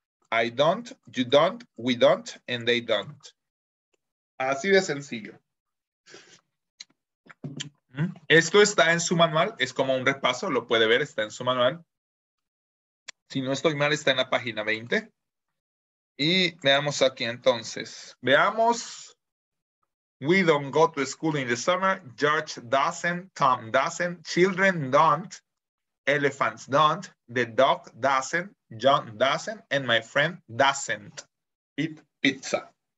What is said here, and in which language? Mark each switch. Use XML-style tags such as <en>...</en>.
<en>I don't, you don't, we don't, and they don't.</en> <es>Así de sencillo. Esto está en su manual, es como un repaso, lo puede ver, está en su manual. Si no estoy mal, está en la página 20. Y veamos aquí entonces. Veamos.</es> <en>We don't go to school in the summer. George doesn't, Tom doesn't, children don't. Elephants don't, the dog doesn't, John doesn't, and my friend doesn't eat pizza.</en>